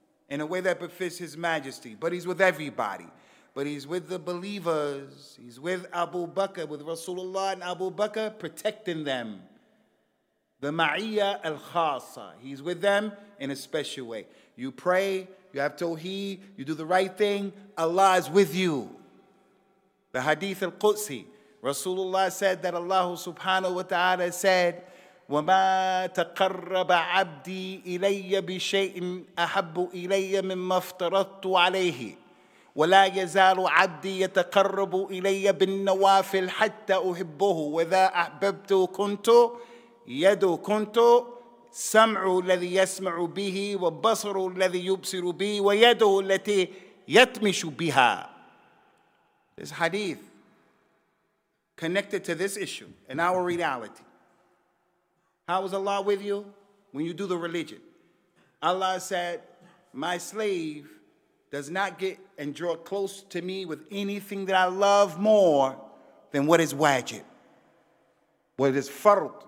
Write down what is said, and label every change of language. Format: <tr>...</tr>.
<en>in a way that befits his majesty. But he's with everybody. But he's with the believers. He's with Abu Bakr, with Rasulullah and Abu Bakr, protecting them. The ma'iyya al-khasa. He's with them in a special way. You pray, you have tawheed, you do the right thing, Allah is with you. The hadith al-Qudsi. Rasulullah said that Allah subhanahu wa ta'ala said,</en> <ar>وَمَا تَقَرَّبَ عَبْدِي إِلَيَّ بِشَيْءٍ أَحَبُّ إِلَيَّ مِمَّا افْتَرَضْتُ عَلَيْهِ وَلَا يَزَالُ عَبْدِي يَتَقَرَّبُ إِلَيَّ بِالنَّوَافِلْ حَتَّى أُحِبُّهُ وَذَا أَحْبَبْتُ كُنْتُ يَدُ كُنْتُ سَمْعُ الَّذِي يَسْمَعُ بِهِ وَبَصَرُ الَّذِي يُبْصِرُ بِهِ وَيَدُهُ الَّتِي يَتْمِشُ بِهَا.</ar> <en>This hadith connected to this issue in our reality. How is Allah with you? When you do the religion. Allah said, my slave does not get and draw close to me with anything that I love more than what is wajib, what is fard.</en>